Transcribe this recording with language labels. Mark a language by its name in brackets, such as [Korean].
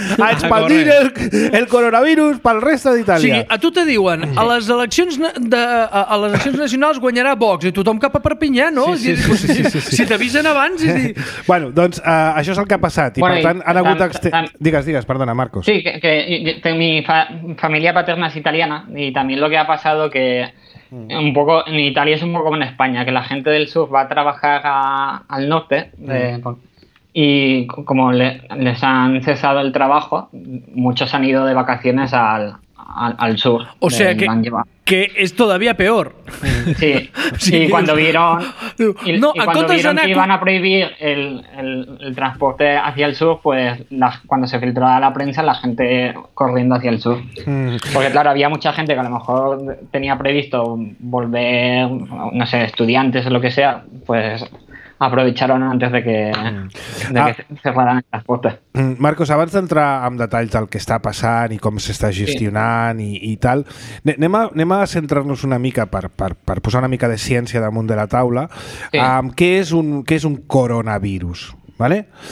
[Catalan] A expandir el coronavirus pel resta d'Itàlia. Sí, a tu te diuen, a les eleccions nacionals guanyarà Vox i tothom cap a Perpinyà, no? Sí. Si t'avisen abans... És dir... Bueno, doncs això és el que ha passat i per tant han hagut... Digues, perdona, Marcos. [Spanish] Sí, que tengo mi familia paterna es italiana y también lo que ha pasado que un poco en Italia es un poco como en España, que la gente del sur va a trabajar al norte y como les han cesado el trabajo, muchos han ido de vacaciones al sur. O sea que es todavía peor. Sí, sí, sí. Y cuando vieron, no, y cuando vieron que iban a prohibir el transporte hacia el sur, pues cuando se filtró a la prensa, la gente corriendo hacia el sur. Porque claro, había mucha gente que a lo mejor tenía previsto volver, no sé, estudiantes o lo que sea, pues aprovecharon antes de que cerraran el transporte. [Catalan] Marcos, abans d'entrar en detalls del que està passant i com s'està gestionant, sí, i tal, anem a centrar-nos una mica per posar una mica de ciència damunt de la taula. Sí. Què és un coronavirus? Vale?